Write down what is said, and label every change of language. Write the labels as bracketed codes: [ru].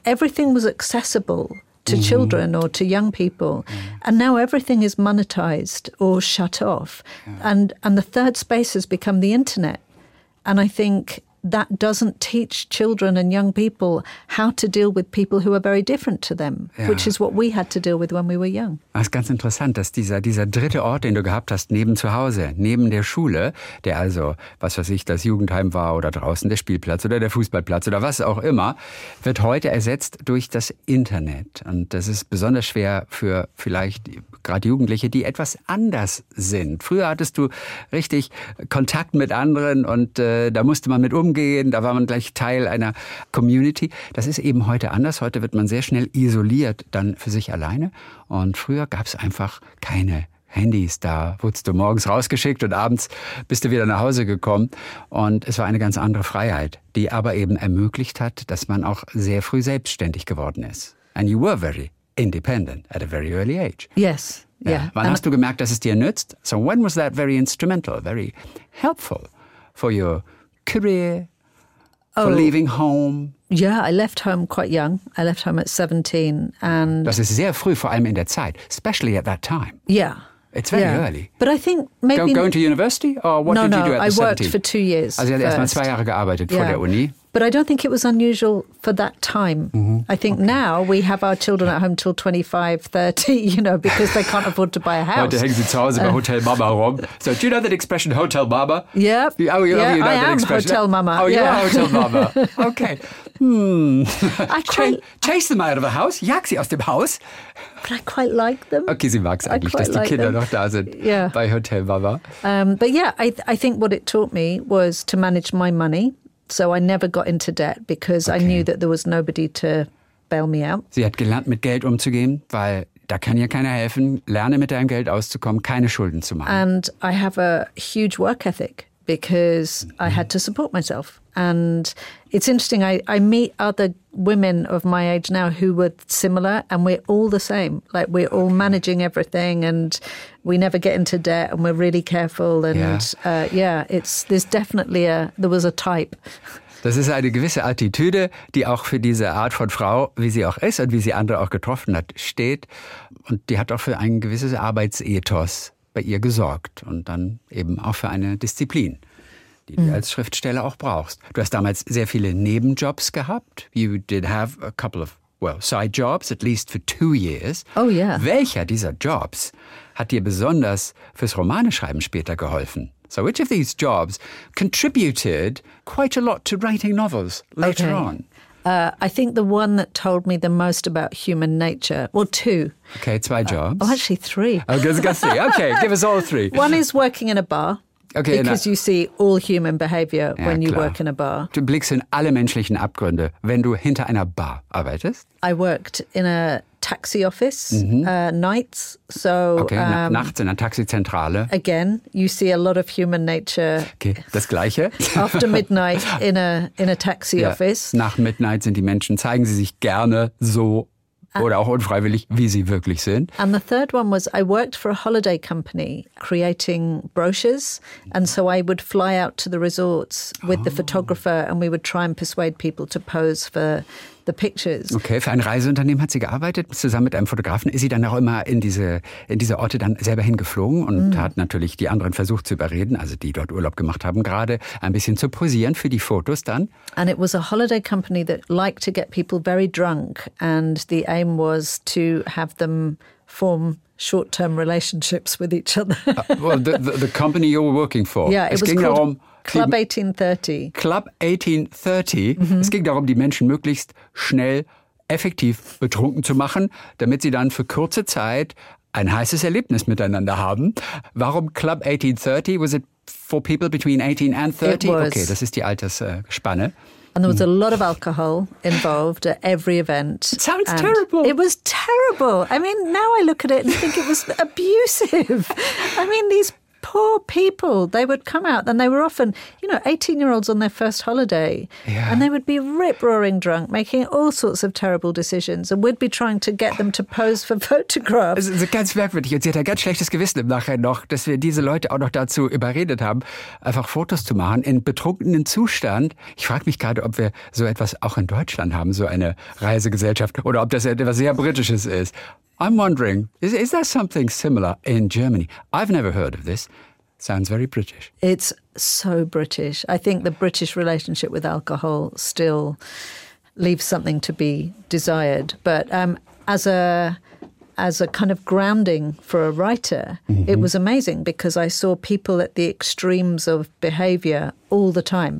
[en] Everything was accessible to mm-hmm. children or to young people. Mm. And now everything is monetized or shut off. Yeah. And the third space has become the internet. And I think that doesn't teach children and young people how to deal with people who are very different to them, yeah. which is what we had to deal with when we were young. [de] Das ist ganz interessant, dass dieser dritte Ort, den du gehabt hast, neben zu Hause, neben der Schule, der also, was weiß ich, das Jugendheim war oder draußen der Spielplatz oder der Fußballplatz oder was auch immer, wird heute ersetzt durch das Internet. Und das ist besonders schwer für vielleicht gerade Jugendliche, die etwas anders sind. Früher hattest du richtig Kontakt mit anderen und da musste man mit umgehen, da war man gleich Teil einer Community. Das ist eben heute anders. Heute wird man sehr schnell isoliert, dann für sich alleine. Und früher gab es einfach keine Handys. Da wurdest du morgens rausgeschickt und abends bist du wieder nach Hause gekommen. Und es war eine ganz andere Freiheit, die aber eben ermöglicht hat, dass man auch sehr früh selbstständig geworden ist. [en] And you were very independent at a very early age. Yes. Yeah. [de] Wann hast du gemerkt, dass es dir nützt? [en] So when was that very instrumental, very helpful for your career, for leaving home? Yeah, I left home quite young. I left home at 17. And [de] das ist sehr früh, vor allem in der Zeit, [en] especially at that time. Yeah. It's very early. But I think maybe going to university or what no, did no, you do at 17? No, I worked for 2 years. [de] Also erst mal zwei Jahre gearbeitet vor der Uni. [en] But I don't think it was unusual for that time. Mm-hmm. I think now we have our children at home till 25, 30, you know, because they can't afford to buy a house. [de] Heute hängen sie zu Hause bei Hotel Mama rum. [en] So do you know that expression, Hotel Mama? Yep. Oh, you, yeah, you know I that am expression. Hotel Mama. Oh, yeah. You are Hotel Mama. Okay. Chase them out of the house. [de] Jag sie aus dem Haus. [en] But I quite like them. [de] Okay, sie mag es eigentlich, dass die Kinder noch da sind bei Hotel Mama. [en] But yeah, I think what it taught me was to manage my money. So I never got into debt because I knew that there was nobody to bail me out. [de] Sie hat gelernt, mit Geld umzugehen, weil da kann ja keiner helfen. Lerne, mit deinem Geld auszukommen, keine Schulden zu machen. [en] And I have a huge work ethic because I had to support myself. And it's interesting, I meet other women of my age now who were similar and we're all the same. Like we're all managing everything and we never get into debt and we're really careful. And there was a type. [de] Das ist eine gewisse Attitüde, die auch für diese Art von Frau, wie sie auch ist und wie sie andere auch getroffen hat, steht. Und die hat auch für ein gewisses Arbeitsethos bei ihr gesorgt und dann eben auch für eine Disziplin, die du als Schriftsteller auch brauchst. Du hast damals sehr viele Nebenjobs gehabt. [en] You did have a couple of, side jobs, at least for 2 years. Oh, yeah. [de] Welcher dieser Jobs hat dir besonders fürs Romaneschreiben später geholfen? [en] So which of these jobs contributed quite a lot to writing novels later on? I think the one that told me the most about human nature, well, two. [de] Okay, zwei jobs. [en] Actually, three. Okay, give us all three. One is working in a bar. Okay, because you see all human behavior when you work in a bar. [de] Du blickst in alle menschlichen Abgründe, wenn du hinter einer Bar arbeitest. [en] I worked in a taxi office nights. So, [de] nachts in einer Taxizentrale. [en] Again, you see a lot of human nature. [de] Okay, das Gleiche. [en] After midnight in a taxi office. [de] Nach midnight sind die Menschen, zeigen sie sich gerne so oder auch unfreiwillig, wie sie wirklich sind. [en] And the third one was, I worked for a holiday company creating brochures. And so I would fly out to the resorts with the photographer and we would try and persuade people to pose for the pictures. [de] Okay, für ein Reiseunternehmen hat sie gearbeitet, zusammen mit einem Fotografen. Ist sie dann auch immer in diese Orte dann selber hingeflogen und hat natürlich die anderen versucht zu überreden, also die dort Urlaub gemacht haben, gerade ein bisschen zu posieren für die Fotos dann. [en] And it was a holiday company that liked to get people very drunk and the aim was to have them form short-term relationships with each other. the company you were working for. Yeah, it was called Club 1830. Club 1830. Mm-hmm. [de] Es ging darum, die Menschen möglichst schnell, effektiv betrunken zu machen, damit sie dann für kurze Zeit ein heißes Erlebnis miteinander haben. Warum [en] Club 1830? Was it for people between 18 and 30? It was. [de] Okay, das ist die Altersspanne. [en] And there was a lot of alcohol involved at every event. It sounds terrible. It was terrible. I mean, now I look at it and think it was abusive. I mean, these poor people, they would come out and they were often, you know, 18-year-olds on their first holiday. Yeah. And they would be rip-roaring drunk, making all sorts of terrible decisions. And we'd be trying to get them to pose for photographs. [de] Also, ganz merkwürdig. Und sie hat ein ganz schlechtes Gewissen im Nachhinein noch, dass wir diese Leute auch noch dazu überredet haben, einfach Fotos zu machen in betrunkenen Zustand. Ich frage mich gerade, ob wir so etwas auch in Deutschland haben, so eine Reisegesellschaft, oder ob das etwas sehr Britisches ist. [en] I'm wondering, is there something similar in Germany? I've never heard of this. Sounds very British. It's so British. I think the British relationship with alcohol still leaves something to be desired. But as a kind of grounding for a writer, it was amazing because I saw people at the extremes of behavior all the time.